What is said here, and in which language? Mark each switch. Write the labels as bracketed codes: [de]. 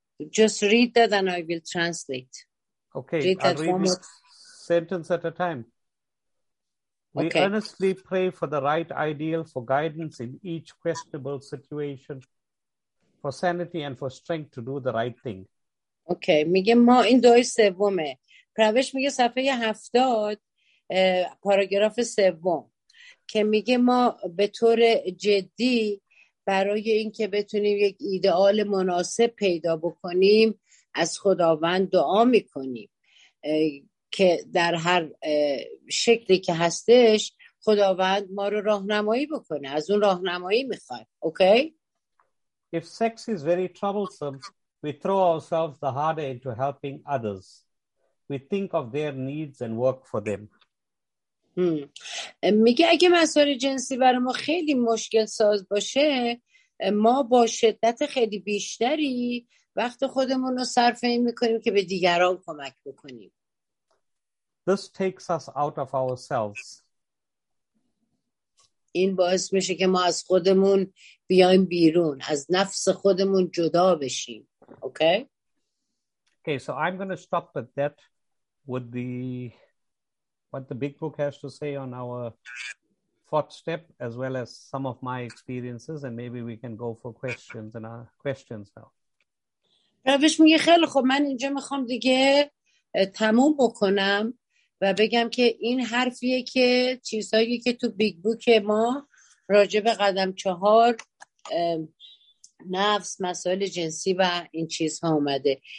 [en] Just read that and I will translate. Okay, sentence at a time. We earnestly pray for the right ideal, for guidance in each questionable situation, for sanity and for strength to do the right thing. [fa] Okay, میگه ما این دعای سومه. پروش میگه صفحه 70 پاراگراف سوم که میگه ما به طور جدی برای اینکه بتونیم یک ایدئال مناسب پیدا بکنیم از خداوند دعا میکنیم که در هر شکلی که هستش خداوند ما رو راهنمایی بکنه، از اون راهنمایی میخواد. [en] Okay. If sex is very troublesome, we throw ourselves the harder into helping others. We think of their needs and work for them. [fa] میگه اگه مسائل جنسی برای ما خیلی مشکل ساز باشه، ما با شدت خیلی بیشتری وقت خودمون رو صرف این میکنیم که به دیگران کمک بکنیم. [en] This takes us out of ourselves. [fa] این باعث میشه که ما از خودمون بیایم بیرون، از نفس خودمون جدا بشیم. [en] Okay. Okay, so I'm going to stop at that with what the big book has to say on our fourth step, as well as some of my experiences, and maybe we can go for questions and our questions now. [fa] روش میگه خیلی خب، من اینجا میخوام دیگه تموم بکنم و بگم که این حرفیه که چیزهایی که تو بیگ بوک ما راجع به قدم چهار نفس، مسائل جنسی و این چیزها اومده.